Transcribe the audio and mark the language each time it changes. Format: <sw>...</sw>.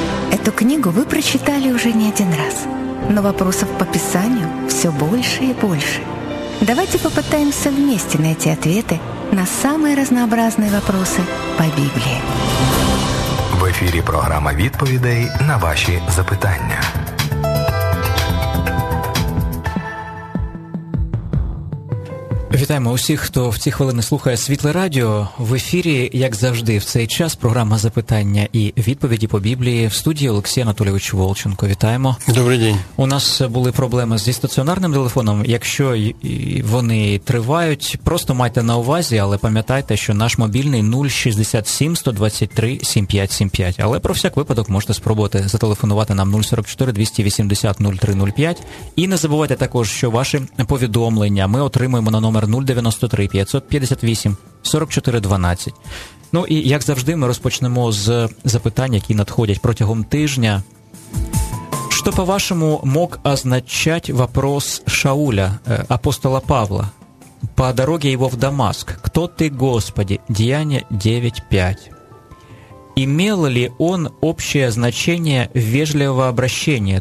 <ru>Эту книгу вы прочитали уже не один раз, но вопросов по Писанию все больше и больше. Давайте попытаемся вместе найти ответы на самые разнообразные вопросы по Библии. В эфире программа</ru> <uk>«Відповідей на ваші запитання». Вітаємо усіх, хто в ці хвилини слухає Світле Радіо. В ефірі, як завжди, в цей час програма «Запитання і відповіді по Біблії» в студії Олексій Анатолійович Волченко. Вітаємо. Добрий день. У нас були проблеми зі стаціонарним телефоном. Якщо вони тривають, просто майте на увазі, але пам'ятайте, що наш мобільний 067-123-7575. Але про всяк випадок можете спробувати зателефонувати нам 044-280-0305. І не забувайте також, що ваші повідомлення ми отримуємо на номер 093-558-4412. Ну і, як завжди, ми розпочнемо з запитань, які надходять протягом тижня. Що, по-вашому,</uk> <ru>мог означать вопрос Шауля, апостола Павла?</ru> <uk>По дорозі його в Дамаск.</uk> <ru>Кто ты, Господи? Деяния 9.5. Имел ли он общее значение вежливого обращения?</ru>